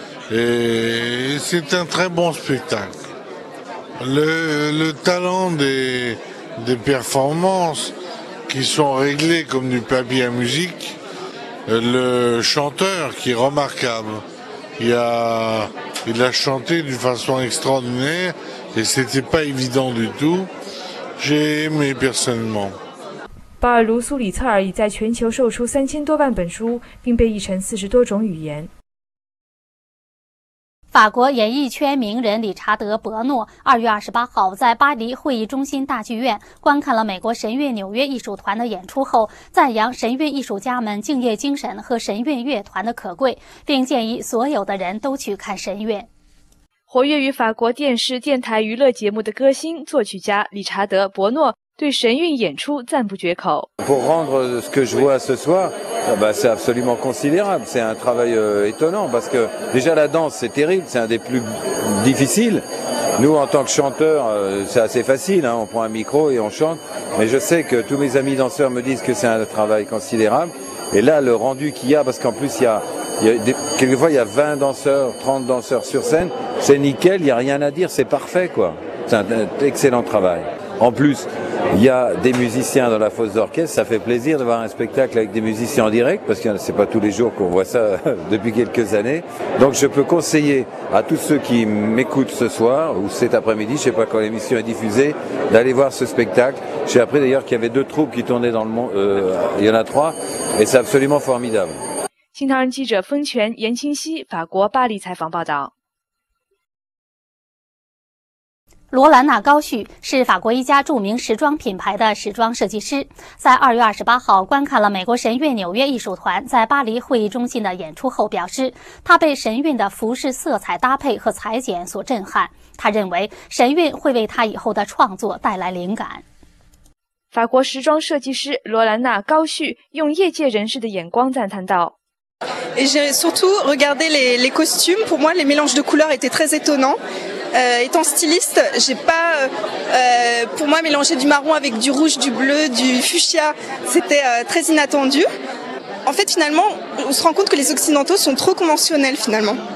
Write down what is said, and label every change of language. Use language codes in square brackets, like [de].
[fr] Et c'est un très bon spectacle. Le talent des performances qui sont réglées comme du papier à musique, le chanteur qui est remarquable,Il a chanté d'une façon extraordinaire et c'était pas évident du tout. J'ai aimé personnellement. [zh] 巴尔·卢·苏里策尔已在全球售出3000多万本书，并被译成40多种语言。法国演艺圈名人理查德·伯诺2月28号在巴黎会议中心大剧院观看了美国神韵纽约艺术团的演出后，赞扬神韵艺术家们敬业精神和神韵乐团的可贵，并建议所有的人都去看神韵。活跃于法国电视电台娱乐节目的歌星、作曲家理查德·伯诺对神韵演出赞不绝口。 [fr] Pour rendre ce que je vois ce soir, c'est absolument considérable. C'est un travail étonnant parce que déjà la danse c'est terrible, c'est un des plus difficiles. Nous en tant que chanteurs, c'est assez facile, on prend un micro et on chante. Mais je sais que tous mes amis danseurs me disent que c'est un travail considérable. Et là le rendu qu'il y a, parce qu'en plus quelquefois il y a 20 danseurs, 30 danseurs sur scène, c'est nickel, il n'y a rien à dire, c'est parfait quoi. C'est un excellent travail. En plus,Il y a des musiciens dans la fosse d'orchestre, ça fait plaisir de voir un spectacle avec des musiciens en direct, parce que c'est pas tous les jours qu'on voit ça depuis quelques années. Donc je peux conseiller à tous ceux qui m'écoutent ce soir, ou cet après-midi, je sais pas quand l'émission est diffusée, d'aller voir ce spectacle. J'ai appris d'ailleurs qu'il y avait 2 troupes qui tournaient dans le monde, il y en a 3, et c'est absolument formidable. [zh] 新唐人记者风泉、严清晰，法国巴黎采访报道。罗兰纳高旭是法国一家著名时装品牌的时装设计师，在2月28号观看了美国神韵纽约艺术团在巴黎会议中心的演出后表示，他被神韵的服饰色彩搭配和裁剪所震撼，他认为神韵会为他以后的创作带来灵感。法国时装设计师罗兰纳高旭用业界人士的眼光赞叹道， [fr] Et j'ai surtout regardé les costumes. Pour moi, les mélanges de couleurs étaient très étonnants. Étant styliste, j'ai pas, pour moi, mélanger du marron avec du rouge, du bleu, du fuchsia, c'était très inattendu. En fait, finalement, on se rend compte que les Occidentaux sont trop conventionnels, finalement.